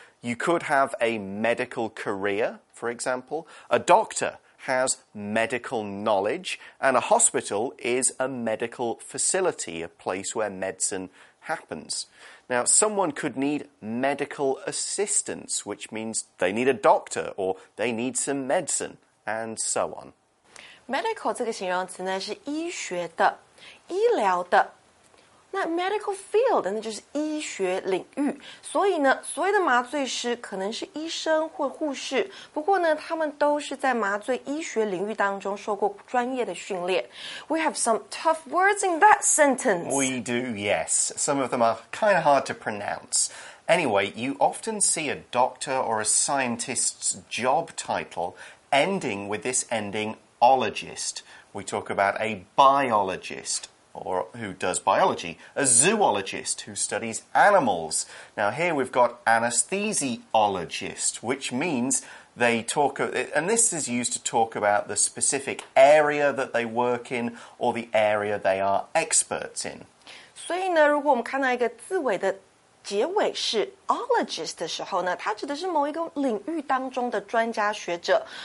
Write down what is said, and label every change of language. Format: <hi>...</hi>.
<en>You could have a medical career. For example, a doctor has medical knowledge, and a hospital is a medical facility, a place where medicine happens. Now, someone could need medical assistance, which means they need a doctor or they need some medicine, and so on.</en> <zh>Medical 这个形容词呢是医学的，医疗的。那</zh> <en>medical field</en> <zh>那就是医学领域，所以呢，所谓的麻醉师可能是医生或护士，不过呢，他们都是在麻醉医学领域当中受过专业的训练。</zh> <en>We have some tough words in that sentence. We do, yes. Some of them are kind of hard to pronounce. Anyway, you often see a doctor or a scientist's job title ending with this ending, ologist. We talk about a biologist. Or who does biology, a zoologist who studies animals. Now, here we've got anesthesiologist, which means they talk, and this is used to talk about the specific area that they work in or the area they are experts in.</en> <zh>所以呢，如果我们看到一个字尾的结尾是 ologist 的时候呢，它指的是某一个领域当中的专家学者。</zh>